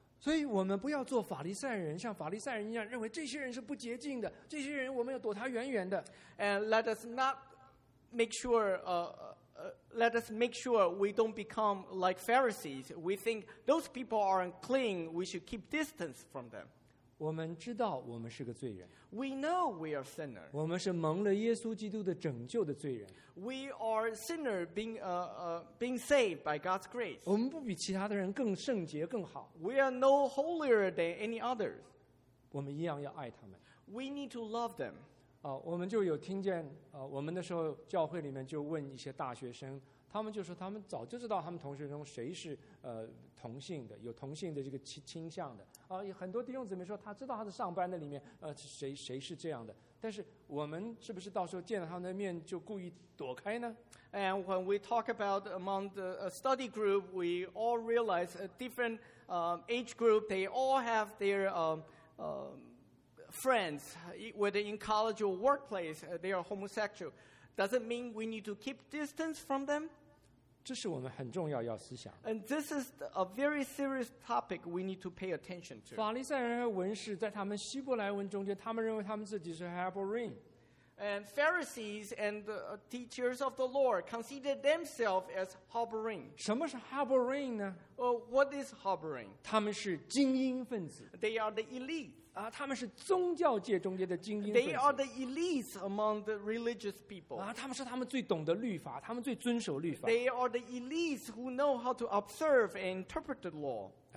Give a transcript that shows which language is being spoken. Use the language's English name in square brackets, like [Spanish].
[Chinese] 所以我们不要做法利赛人, 像法利赛人一样, 认为这些人是不洁净的, 这些人我们要躲他远远的。 [English] And let us not make sure, let us make sure we don't become like Pharisees. We think those people are unclean, we should keep distance from them. [Chinese] 我们知道我们是个罪人。 [English] We know we are sinners. [Chinese] 我们是蒙了耶稣基督的拯救的罪人。 [English] We are sinners being saved by God's grace. [Chinese] 我们不比其他的人更圣洁更好。 [English] We are no holier than any others. [Chinese] 我们一样要爱他们。 [English] We need to love them. [Chinese] 我们就有听见，我们那时候教会里面就问一些大学生。他们就说他们早就知道他们同学中谁是同性的，有同性的这个倾向的。很多弟兄姊妹说他知道他的上班的里面谁是这样的，但是我们是不时到时候见了他们的面就故意躲开呢？ [English] And when we talk about among the study group, we all realize a different age group, they all have their friends, whether in college or workplace, they are homosexual. Doesn't mean we need to keep distance from them? [Chinese] 这是我们很重要要思想。 [English] And this is a very serious topic we need to pay attention to. [Chinese] 法利赛人和文士在他们希伯来文中间，他们认为他们自己是Hebrew。 [English] And Pharisees and the teachers of the Lord considered themselves as harboring. [Chinese] 什么是harboring呢？ [English] What is harboring? [Chinese] 他们是精英分子。 [English] They are the elite. [Chinese] 他们是宗教界中间的精英分子。 [English] They are the elites among the religious people. [Chinese] 他们说他们最懂得律法，他们最遵守律法。 [English] They are the elites who know how to observe and interpret the law.